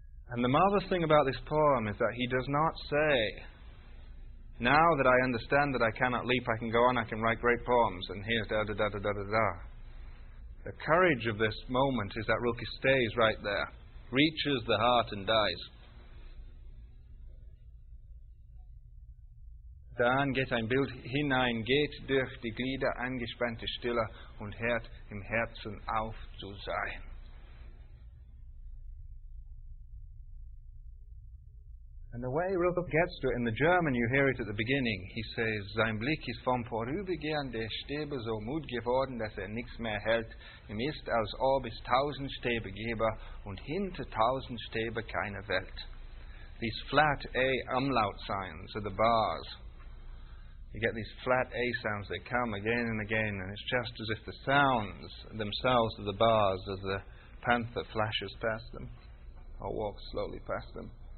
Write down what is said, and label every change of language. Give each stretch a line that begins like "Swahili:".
English: And the marvelous thing about this poem is that he does not say, now that I understand that I cannot leap, I can go on, I can write great poems, and here's da da da da da da da. The courage of this moment is that Rilke stays right there, reaches the heart and dies.
German: Dann geht ein Bild hinein, geht durch die Glieder angespannte Stille und hört im Herzen auf zu sein.
English: And the way Rilke gets to it, in the German you hear it at the beginning, he says,
German: sein Blick ist vom Vorübergehen der Stäbe so müd geworden, dass nichts mehr hält. Ihm ist, als ob es 1000 Stäbe gäbe und hinter 1000 Stäbe keine Welt.
English: These flat A umlaut signs are the bars. You get these flat A sounds, they come again and again, and it's just as if the sounds themselves are the bars as the panther flashes past them or walks slowly past them.